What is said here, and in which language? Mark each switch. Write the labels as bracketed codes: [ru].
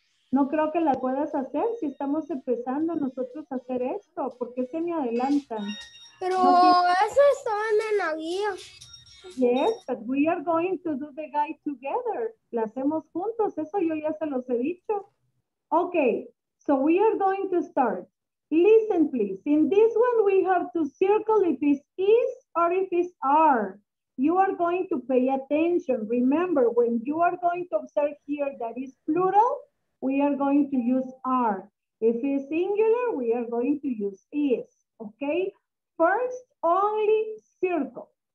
[es] No creo que la puedas hacer si estamos empezando nosotros a hacer esto. ¿Por qué se me adelantan? Pero eso estaba en la guía. [en] Yes, but we are going to do the guide together. [es] La hacemos juntos, eso yo ya se los he dicho. [en] Okay, so we are going to start. Listen, please. In this one, we have to circle if it's is or if it's are. You are going to pay attention. Remember, when you are going to observe here that is plural, we are going to use are. If it's singular, we are going to use is. Okay, first, only circle.